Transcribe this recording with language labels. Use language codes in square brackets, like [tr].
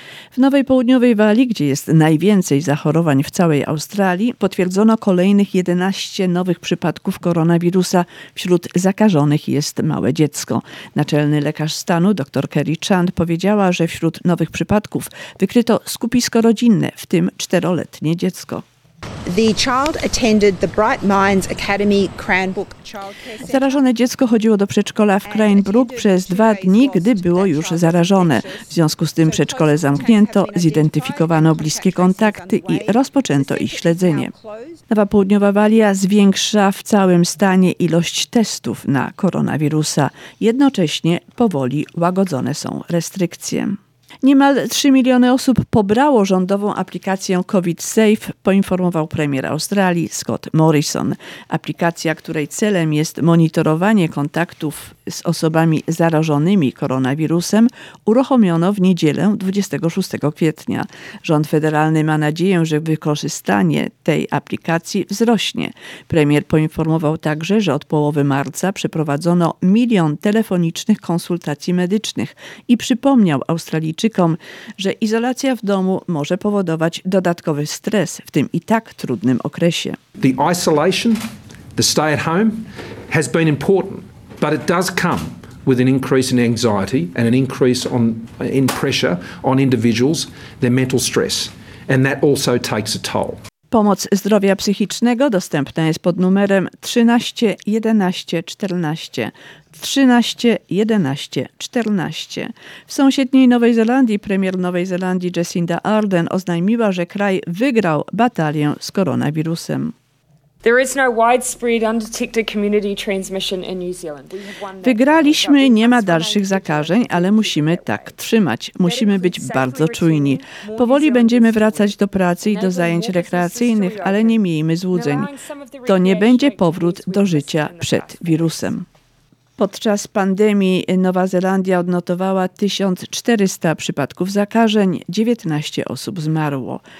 [pl] W Nowej Południowej Walii, gdzie jest najwięcej zachorowań w całej Australii, potwierdzono kolejnych 11 nowych przypadków koronawirusa. Wśród zakażonych jest małe dziecko. Naczelny lekarz stanu, dr Kerry Chand, powiedziała, że wśród nowych przypadków wykryto skupisko rodzinne, w tym 4-letnie dziecko. [en] The child attended the Bright Minds Academy Cranbrook Childcare. [pl] Zarażone dziecko chodziło do przedszkola w Cranbrook przez 2 dni, gdy było już zarażone. W związku z tym przedszkole zamknięto, zidentyfikowano bliskie kontakty i rozpoczęto ich śledzenie. Nowa Południowa Walia zwiększa w całym stanie ilość testów na koronawirusa. Jednocześnie powoli łagodzone są restrykcje. Niemal 3 miliony osób pobrało rządową aplikację COVID Safe, poinformował premier Australii Scott Morrison. Aplikacja, której celem jest monitorowanie kontaktów z osobami zarażonymi koronawirusem, uruchomiono w niedzielę 26 kwietnia. Rząd federalny ma nadzieję, że wykorzystanie tej aplikacji wzrośnie. Premier poinformował także, że od połowy marca przeprowadzono 1 milion telefonicznych konsultacji medycznych i przypomniał Australijczykom, że izolacja w domu może powodować dodatkowy stres w tym i tak trudnym okresie. [en] The isolation, the stay at home has been important. But it does come with an increase in anxiety and an increase in pressure on individuals, their mental stress, and that also takes a toll. [pl] Pomoc zdrowia psychicznego dostępna jest pod numerem 13 11 14. 13 11 14. W sąsiedniej Nowej Zelandii premier Nowej Zelandii Jacinda Ardern oznajmiła, że kraj wygrał batalię z koronawirusem. [en] There is no widespread undetected community transmission in New Zealand. [pl] Wygraliśmy, nie ma dalszych zakażeń, ale musimy tak trzymać. Musimy być bardzo czujni. Powoli będziemy wracać do pracy i do zajęć rekreacyjnych, ale nie miejmy złudzeń. To nie będzie powrót do życia przed wirusem. Podczas pandemii Nowa Zelandia odnotowała 1400 przypadków zakażeń, 19 osób zmarło.